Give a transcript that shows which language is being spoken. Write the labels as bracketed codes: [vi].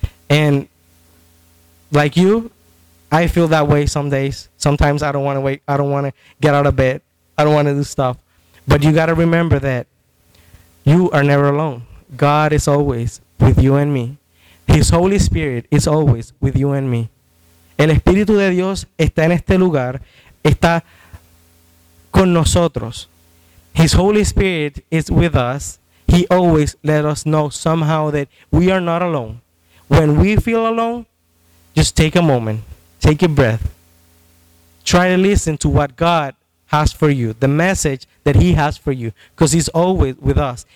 [en] And like you, I feel that way some days. Sometimes I don't want to wake. I don't want to get out of bed. I don't want to do stuff. But you got to remember that you are never alone. God is always with you and me. His Holy Spirit is always with you and me. [es] El Espíritu de Dios está en este lugar, está con nosotros. [en] His Holy Spirit is with us. He always let us know somehow that we are not alone. When we feel alone, just take a moment. Take a breath. Try to listen to what God has for you, the message that he has for you, because he's always with us.